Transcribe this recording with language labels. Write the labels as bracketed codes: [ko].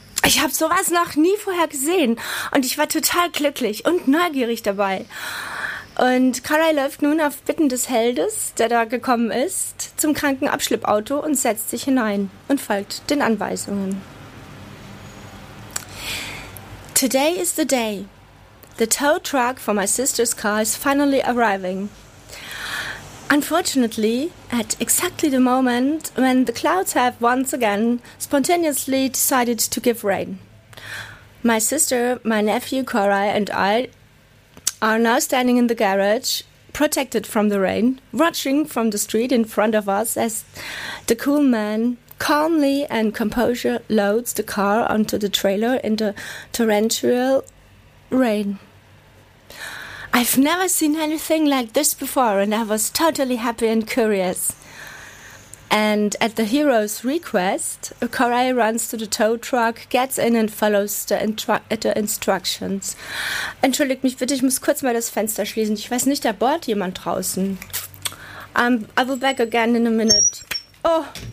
[de] Ich habe sowas noch nie vorher gesehen und ich war total glücklich und neugierig dabei. Und Karai läuft nun auf Bitten des Heldes, der da gekommen ist, zum kranken Abschleppauto und setzt sich hinein und folgt den Anweisungen. [en] Today is the day. The tow truck for my sister's car is finally arriving. Unfortunately, at exactly the moment when the clouds have once again spontaneously decided to give rain. My sister, my nephew Karai and I are now standing in the garage, protected from the rain, watching from the street in front of us as the cool man calmly and composure loads the car onto the trailer in the torrential rain. I've never seen anything like this before and I was totally happy and curious. And at the hero's request, Koray runs to the tow truck, gets in and follows the instructions. [de] Entschuldigt mich bitte, ich muss kurz mal das Fenster schließen. Ich weiß nicht, da bohrt jemand draußen. [en] I will back again in a minute. [de] Oh!